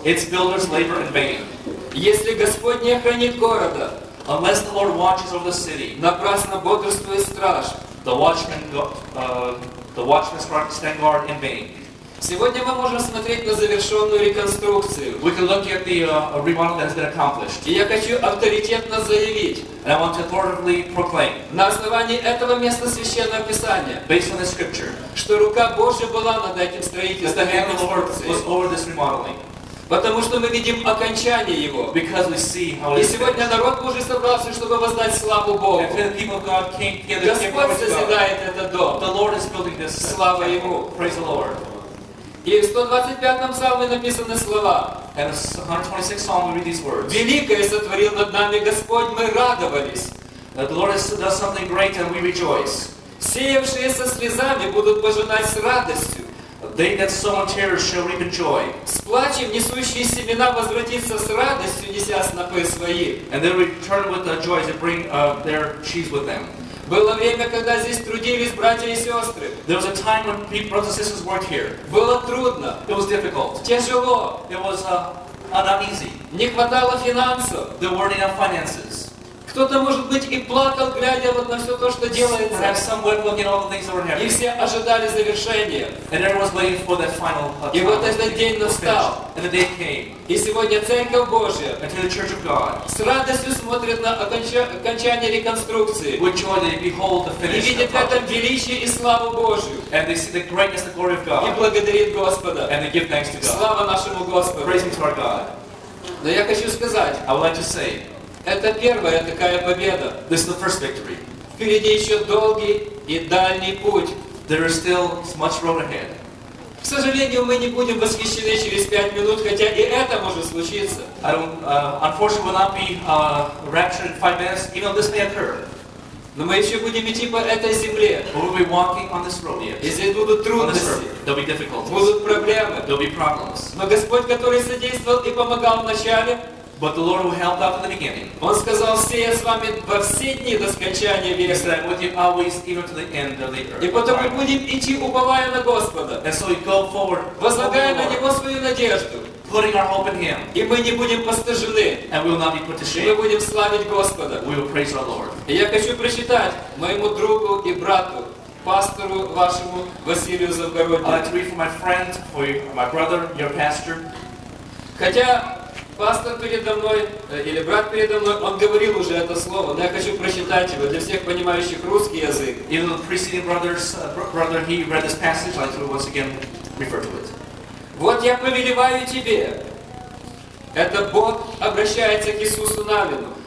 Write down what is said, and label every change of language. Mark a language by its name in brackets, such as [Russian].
[English] its builders labor in vain. [Russian] Если Господь не охранит города, [English] unless the Lord watches over the city, [Russian] напрасно бодрствует страж, [English] the watchmen stand guard in vain. [Russian] Сегодня мы можем смотреть на завершенную реконструкцию. [English] We can look at the remodel that has been accomplished. [Russian] И я хочу авторитетно заявить. [English] And I want to authoritatively proclaim. [Russian] На основании этого места Священного Писания. [English] Based on the scripture. [Russian] Что рука Божья была над этим строительством. [English] That the hand of the Lord was over this remodeling. [Russian] Потому что мы видим окончание его. [English] Because we see how it is. [Russian] И сегодня народ Божий собрался, чтобы воздать славу Богу. [English] And the people of God came together. [Russian] Господь созидает этот дом. [English] The Lord is building this. [Russian] Слава Ему. [English] Praise the Lord. [Russian] И в 125-м псалме написаны слова. [English] And in 126 psalm we read these words. [Russian] Великое сотворил над нами Господь, мы радовались. [English] That the Lord has done something great and we rejoice. [Russian] Сеявшие со слезами будут пожинать с радостью. [English] They that sow in tears shall reap in joy. [Russian] С плачем несущие семена возвратиться с радостью, неся снопы свои. [English] And they return with the joy to bring their sheaves with them. [Russian] Было время, когда здесь трудились братья и сестры. [English] There was a time when brothers and sisters worked here. [Russian] Было трудно. [English] It was difficult. [Russian] Тяжело. [English] It was not easy. [Russian] Не хватало финансов. [English] There weren't enough finances. [Russian] Кто-то, может быть, и плакал, глядя вот на все то, что делается. [English] Perhaps some were looking at all the things that were happening. [Russian] И все ожидали завершения. [English] And everyone was waiting for that final [Russian] И вот этот день настал. [English] And the day came. [Russian] И сегодня Церковь Божья. [English] And the Church of God. [Russian] С радостью смотрит на окончание реконструкции. [English] With joy they behold the finish. [Russian] И видит в этом величие и славу Божью. [English] And they see the greatness and glory of God. [Russian] И благодарит Господа. [English] And they give thanks to God. [Russian] Слава нашему Господу. [English] Praise to our God. [Russian] Но я хочу сказать. [English] I would like to say. [Russian] Это первая такая победа. [English] This is the first victory. [Russian] Впереди еще долгий и дальний путь. [English] There is still much road ahead. [Russian] К сожалению, мы не будем восхищены через 5 минут, хотя и это может случиться. [English] Unfortunately, we will not be raptured in 5 minutes, even though this may occur. [Russian] Но мы еще будем идти по этой земле. [English] But we'll be walking on this road, yes. [Russian] И здесь будут трудности. [English] There'll be difficulties. [Russian] Будут проблемы. [English] There'll be problems. [Russian] Но Господь, который содействовал и помогал в начале, [English] but the Lord will help out in the beginning. [Russian] Он сказал, все я с вами во все дни до скончания века. [English] He said, I'm with you always, even to the end of the earth. [Russian] И потом мы будем идти, уповая на Господа. [English] And so we go forward, [Russian] возлагая на Него свою надежду. [English] Putting our hope in Him. [Russian] И мы не будем постыжены. [English] And we will not be put to shame. [Russian] Мы будем славить Господа. [English] We will praise our Lord. [Russian] И я хочу прочитать моему другу и брату, пастору вашему Василию Завгороднему. [English] I'd like to read for my friend, for my brother, your pastor. [Russian] Хотя пастор передо мной, или брат передо мной, он говорил уже это слово, но я хочу прочитать его для всех понимающих русский язык. [English] Even though the preceding brother, he read this passage, I'd like to once again refer to it. [Russian] Вот я повелеваю тебе. Это Бог обращается к Иисусу Навину.